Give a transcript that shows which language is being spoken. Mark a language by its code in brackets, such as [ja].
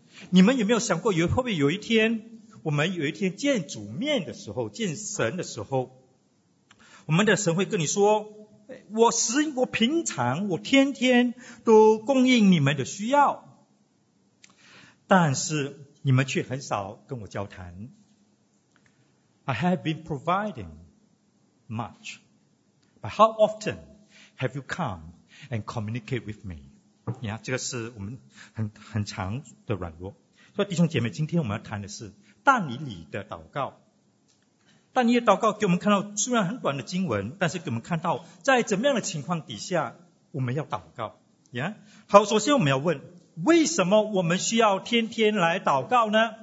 [zh] 你们有没有想过，会不会有一天我们有一天见主面的时候，见神的时候，我们的神会跟你说，我平常我天天都供应你们的需要，但是你们却很少跟我交谈。 [en] I have been providing much, but how often have you come and communicate with me? [zh] 这个是我们很常的软弱。所以弟兄姐妹，今天我们要谈的是但以理的祷告。但你的祷告给我们看到，虽然很短的经文，但是给我们看到在怎么样的情况底下我们要祷告。好，首先我们要问，为什么我们需要天天来祷告呢？